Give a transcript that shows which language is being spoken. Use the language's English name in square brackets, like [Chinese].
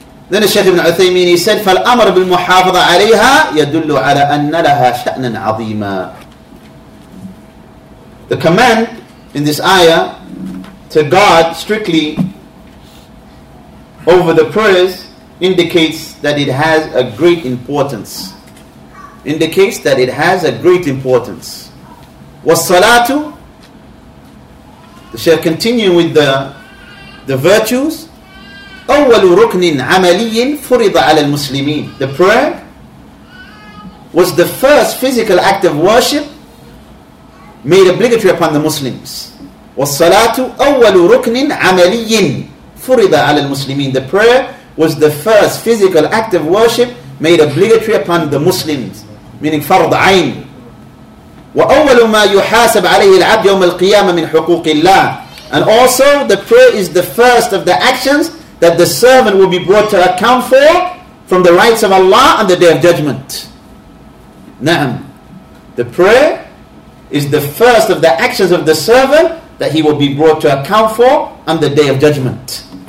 [English] Then Shaykh Ibn Uthaymeen, he said, [Arabic] فَالْأَمَرْ بِالْمُحَافَظَ عَلَيْهَا يَدُلُّ عَلَىٰ أَنَّ لَهَا شَأْنًا عَظِيمًا. [English] The command in this ayah to guard strictly over the prayers indicates that it has a great importance. Indicates that it has a great importance. [Arabic] وَالصَّلَاةُ, [English] the Shaykh continue with the virtues, [Arabic] أول ركن عملي فرض على المسلمين. [English] The prayer was the first physical act of worship made obligatory upon the Muslims. [Arabic] والصلاة أول ركن عملي فرض على المسلمين. [English] The prayer was the first physical act of worship made obligatory upon the Muslims, meaning فرض عين. [Arabic] وأول ما يحاسب عليه العبد يوم القيامة من حقوق الله. [English] And also, the prayer is the first of the actions that the servant will be brought to account for from the rights of Allah on the Day of Judgment. Na'am. The prayer is the first of the actions of the servant that he will be brought to account for on the Day of Judgment.